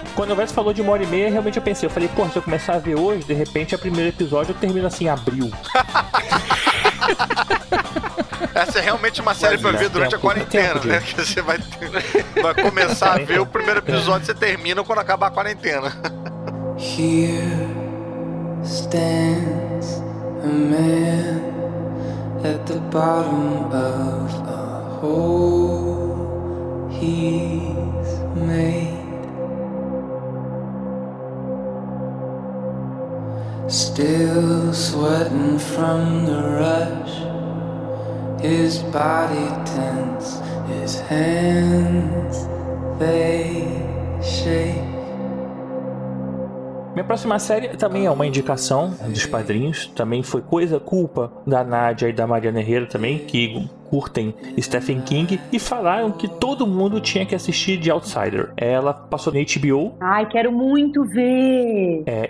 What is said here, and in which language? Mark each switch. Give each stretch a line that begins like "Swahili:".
Portuguese: Quando o Elvis falou de uma hora e meia, realmente eu pensei. Eu falei, porra, se eu começar a ver hoje, de repente, é o primeiro episódio, eu termino assim, em abril. Essa é realmente uma série pra ver durante a quarentena, né? Porque você vai começar a ver o primeiro episódio, você termina quando acabar a quarentena.
English: Here stands a man at the bottom of a hole he's made. Still sweating from the rush, his body tense, his hands they shake.
Portuguese: Minha próxima série também é uma indicação dos padrinhos, também foi culpa da Nádia e da Mariana Herrera também, que curtem Stephen King, e falaram que todo mundo tinha que assistir The Outsider. Ela passou na HBO. Ai, quero muito ver!